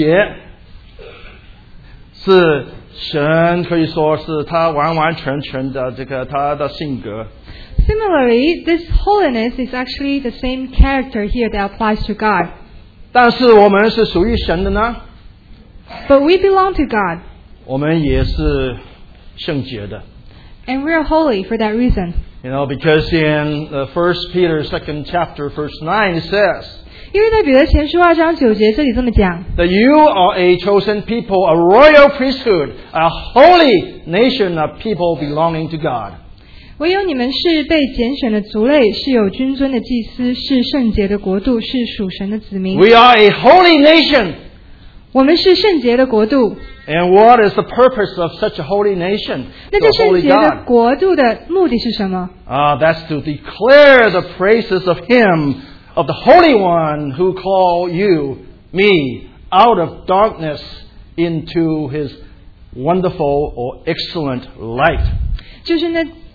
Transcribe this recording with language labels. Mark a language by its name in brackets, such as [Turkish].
[Chinese] 所以，同样对神来说，圣洁是。神可以说是他完完全全的这个他的性格。 [English] Similarly, this holiness is actually the same character here that applies to God. [Chinese] 但是我们是属于神的呢？ [English] But we belong to God. [Chinese] 我们也是圣洁的。 [English] And we are holy for that reason. You know, because in 1 Peter 2nd chapter verse 9 it says, [Chinese] 因为在彼得前书二章九节这里这么讲, [English] that you are a chosen people, a royal priesthood, a holy nation, a people belonging to God. [Chinese] 唯有你们是被拣选的族类, 是有君尊的祭司, 是圣洁的国度, 是属神的子民。 [English] We are a holy nation. [Chinese] 我们是圣洁的国度。 [English] And what is the purpose of such a holy nation? [Chinese] 那个圣洁的国度的目的是什么? [English] That's to declare the praises of Him, of the Holy One who called you, me, out of darkness into His wonderful or excellent light.